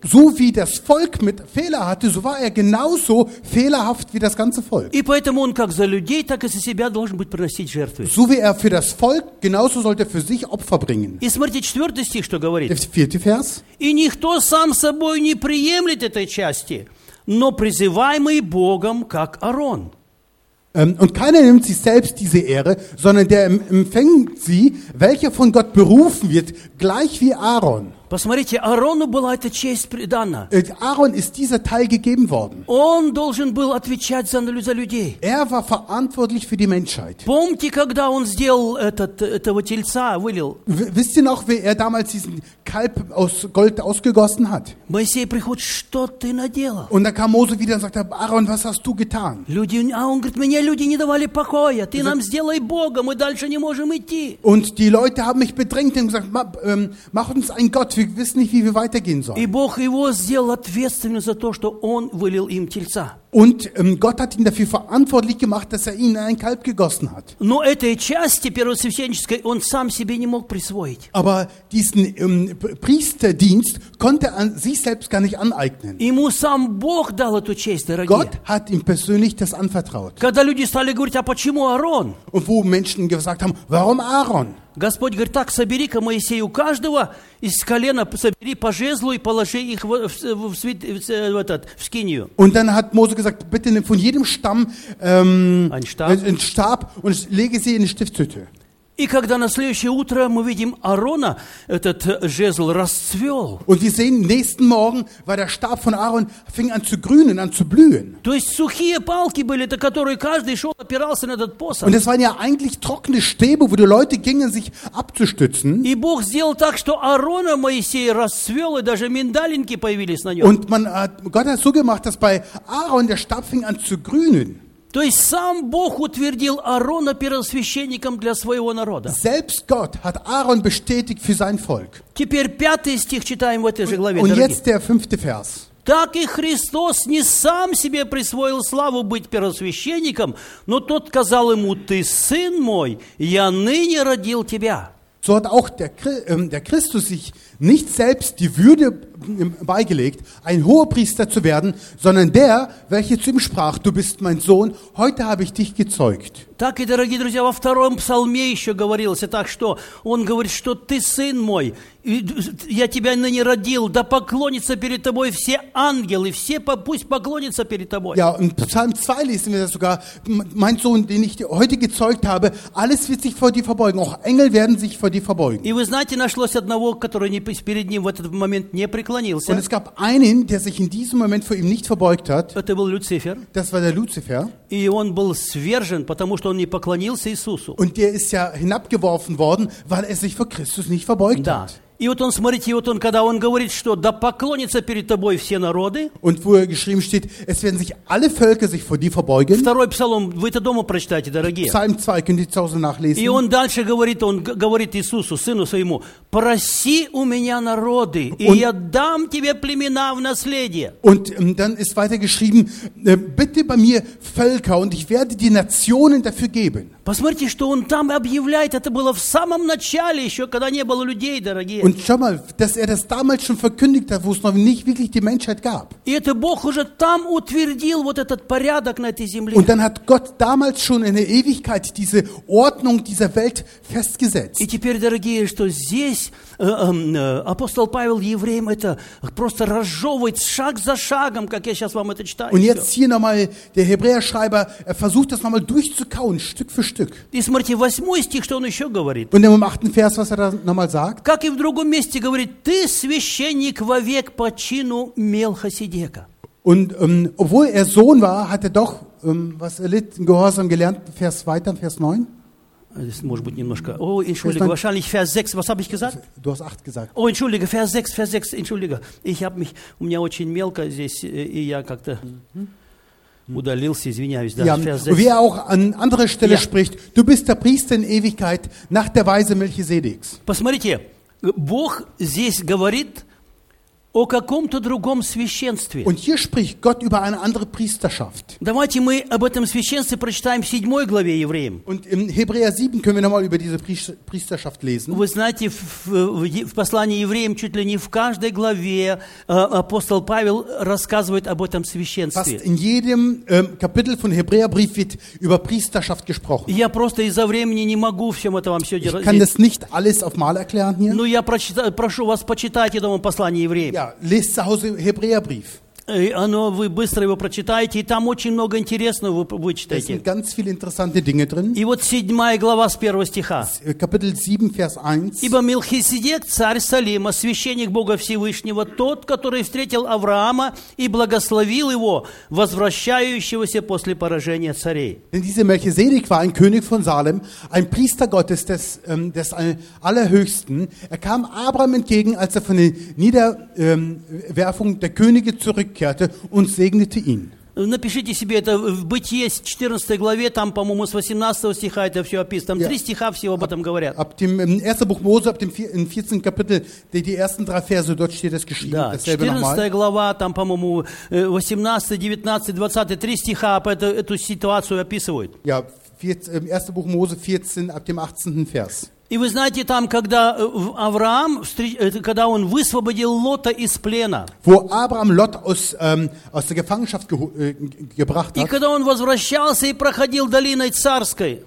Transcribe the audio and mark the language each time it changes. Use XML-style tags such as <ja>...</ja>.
<de>So wie das Volk mit Fehler hatte, so war er genauso fehlerhaft wie das ganze Volk.</de> <ru>И поэтому он как за людей, так и за себя должен быть приносить жертвы.</ru> <de>So wie er für das Volk, genauso sollte er für sich Opfer bringen.</de> <ru>И смотрите, четвертый стих, что говорит.</ru> <de>Der vierte Vers.</de> <ru>И никто сам собой не приемлет этой части. Но призываемый Богом, как Аарон.</ru> <de>Und keiner nimmt sich selbst diese Ehre, sondern der empfängt sie, welcher von Gott berufen wird, gleich wie Aaron.</de> <ru>Посмотрите, Аарону была эта честь придана.</ru> <de>Aaron ist dieser Teil gegeben worden.</de> <ru>Он должен был отвечать за людей.</ru> <de>Er war verantwortlich für die Menschheit.</de> <ru>Помните, когда он сделал этого тельца, вылил?</ru> <de>Wisst ihr noch, wie er damals diesen Kalb aus Gold ausgegossen hat?</de> <ru>Моисей приходит, что ты наделал?</ru> <de>Und dann kam Mose wieder und sagte, Aaron, was hast du getan?</de> <ru>Люди, а он говорит, мне люди не давали покоя, ты нам сделай Бога, мы дальше не можем идти.</ru> <de>Und die Leute haben mich bedrängt und gesagt, mach uns ein Gott, wir wissen nicht, wie wir weitergehen sollen.</de> <ru>И Бог его сделал ответственным за то, что он вылил им тельца.</ru> <de>Und Gott hat ihn dafür verantwortlich gemacht, dass er ihn in ein Kalb gegossen hat.</de> <ru>Но этой части первосвященнической он сам себе не мог присвоить.</ru> <de>Aber diesen Priesterdienst konnte er sich selbst gar nicht aneignen.</de> <ru>Ему сам Бог дал эту честь, дорогие.</ru> <de>Gott hat ihm persönlich das anvertraut.</de> <ru>Когда люди стали говорить, а почему Аарон?</ru> <de>Und wo Menschen gesagt haben, warum Aaron?</de> <ru>Господь говорит, так, собери-ка, Моисей, у каждого из колена собери по жезлу и положи их в скинию.</ru> <de>Und dann hat Mose gesagt, bitte nimm von jedem Stamm einen Stab und lege sie in die Stiftshütte.</de> <ru>И когда на следующее утро мы видим Аарона, этот жезл расцвел.</ru> <de>Und wir sehen, nächsten Morgen war der Stab von Aaron fing an zu grünen, an zu blühen.</de> <ru>То есть сухие палки были, на которые каждый шел, опирался на этот посох.</ru> <de>Und es waren ja eigentlich trockene Stäbe, wo die Leute gingen, sich abzustützen.</de> <ru>И Бог сделал так, что Аарона Моисея расцвел, и даже миндалинки появились на нем.</ru> <de>Und man hat, Gott hat so gemacht, dass bei Aaron der Stab fing an zu grünen.</de> <ru>То есть сам Бог утвердил Аарона первосвященником для своего народа.</ru> <de>Selbst Gott hat Aaron bestätigt für sein Volk.</de> <ru>Теперь пятый стих читаем в этой же главе.</ru> <de>Und jetzt der fünfte Vers.</de> <ru>Так и Христос не сам себе присвоил славу быть первосвященником, но тот сказал ему: «Ты сын мой, я ныне родил тебя».</ru> <de>So hat auch der Christus sich nicht selbst die Würde beigelegt, ein Hohepriester zu werden, sondern der, welcher zu ihm sprach, du bist mein Sohn, heute habe ich dich gezeugt.</de> <ru>Так и, дорогие друзья, во втором псалме еще говорилось, так что он говорит, что ты сын мой, я тебя ныне родил, да поклонятся перед тобой все ангелы, все пусть поклонятся перед тобой.</ru> <de>Ja, in Psalm 2 lesen wir das sogar, mein Sohn, den ich heute gezeugt habe, alles wird sich vor dir verbeugen, auch Engel werden sich vor dir verbeugen.</de> <ru>И вы знаете, нашлось одного, который перед ним в этот момент не преклонился.</ru> <de>Und es gab einen, der sich in diesem Moment vor ihm nicht verbeugt hat.</de> <ru>Это был Люцифер.</ru> <de>Das war der Lucifer.</de> <ru>И он был свержен, потому что он не поклонился Иисусу.</ru> <de>Und der ist ja hinabgeworfen worden, weil er sich vor Christus nicht verbeugt da. Hat.</de> <ru>И вот он, смотрите, вот он, когда он говорит, что да поклонятся перед тобой все народы.</ru> <de>Und wo er geschrieben steht, es werden sich alle Völker sich vor dir verbeugen.</de> <ru>Второй псалом, вы это дома прочитайте, дорогие.</ru> <de>Psalm 2, könnt ihr zu Hause nachlesen.</de> <ru>И он дальше говорит, он говорит Иисусу, сыну своему, проси у меня народы, и я дам тебе племена в наследие.</ru> <de>Und dann ist weiter geschrieben, bitte bei mir Völker, und ich werde die Nationen dafür geben.</de> <ru>Посмотрите, что он там объявляет, это было в самом начале еще, когда не было людей, дорогие.</ru> <de>Und schau mal, dass er das damals schon verkündigt hat, wo es noch nicht wirklich die Menschheit gab. Und dann hat Gott damals schon in der Ewigkeit diese Ordnung dieser Welt festgesetzt.</de> <ru>И теперь, дорогие, что здесь апостол Павел евреям это просто разжевывает шаг за шагом, как я сейчас вам это читаю.</ru> <de>Und jetzt hier nochmal der Hebräerschreiber, er versucht das nochmal durchzukauen, Stück für Stück.</de> <ru>И смотрите, восьмой стих, что он еще говорит.</ru> <de>Und im achten Vers, was er da nochmal sagt.</de> <ru>Как и в другом месте говорит, ты священник вовек по чину Мелхиседека.</ru> <de>Und obwohl er Sohn war, hat er doch, was erlitten, gehorsam gelernt, Vers 2, Vers 9. Das</de> <ru>может быть немножко.</ru> <de>О, entschuldige, wahrscheinlich Vers 6. Was habe ich gesagt? Du hast 8 gesagt. Oh, entschuldige, Vers 6, entschuldige. Ich habe mich,</de> <ru>у меня очень мелко здесь, и я как-то удалился, извиняюсь.</ru> <de>Ja, wie er auch an anderer Stelle spricht, du bist der Priester in Ewigkeit nach der Weise Melchisedeks.</de> <ru>Посмотрите, Бог здесь говорит о каком-то другом священстве.</ru> <de>Und hier spricht Gott über eine andere Priesterschaft.</de> <ru>Давайте мы об этом священстве прочитаем в 7 главе Евреям.</ru> <de>Und im Hebräer 7 können wir nochmal über diese Priesterschaft lesen.</de> <ru>Вы знаете, в послании Евреям чуть ли не в каждой главе апостол Павел рассказывает об этом священстве.</ru> <de>Fast in jedem Kapitel von Hebräerbrief wird über Priesterschaft gesprochen.</de> <ru>Я просто из-за времени не могу всем это вам все делать.</ru> <de>Ich kann das nicht alles auf mal erklären hier.</de> <ru>Ну, я прошу вас, почитайте дома послание Евреям.</ru> <de>Ja, lest zu Hause Hebräerbrief.</de> <ru>Оно, вы быстро его прочитаете, и там очень много интересного вы вычитаете.</ru> <de>Es sind ganz viele interessante Dinge drin.</de> <ru>И вот 7 глава с 1 стиха.</ru> <de>Kapitel 7, Vers 1.</de> <ru>Ибо Мелхиседек, царь Салима, священник Бога Всевышнего, тот, который встретил Авраама и благословил его, возвращающегося после поражения царей.</ru> <de>Denn dieser Melchisedek war ein König von Salem, ein Priester Gottes des Allerhöchsten. Er kam Abraham entgegen, als er von der Niederwerfung der Könige zurückkehrte und segnete ihn.</de> <ru>Напишите себе это в Бытие, 14 главе, там, по-моему, с 18 стиха это все описано. Там три стиха всего об этом говорят.</ru> <de>Ab dem 1. Buch Mose, ab dem 14. Kapitel, die ersten drei Verse, dort steht es geschrieben.</de> <ru>Да, 14 глава, там, по-моему, 18, 19, 20, три стиха об эту ситуацию описывают.</ru> <de>Ja, 1. Buch Mose, 14, ab dem 18. Vers.</de> <ru>И вы знаете, там, когда Авраам, когда он высвободил Лота из плена,</ru> <de>wo Abraham Lot aus der Gefangenschaft gebracht hat,</de> <ru>и когда он возвращался и проходил долиной царской,</ru>